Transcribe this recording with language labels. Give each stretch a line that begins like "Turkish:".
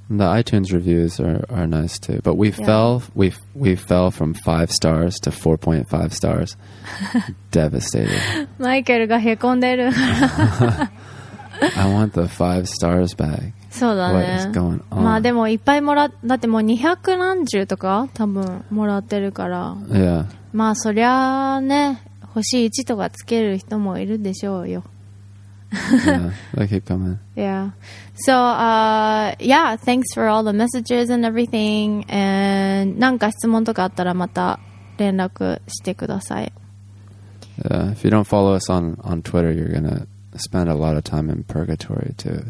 English: The iTunes reviews are nice too But we fell from 5 stars to 4.5 stars Devastated
Japanese: マイケルがへこんでる
English: I want the 5 stars back
Japanese: そうだね
English: What is going on?
Japanese: まあでもいっぱいもらっだってもう200何十とか多分もらってるから
English: Yeah
Japanese: まあそりゃね星1とかつける人もいるでしょうよ
English: they keep coming. Yeah. So, yeah, thanks for all the messages and everything.
Japanese: And, なんか質問とかあったらまた連絡してください。
English: Yeah, if you don't follow us on Twitter, you're going to spend a lot of time in purgatory too.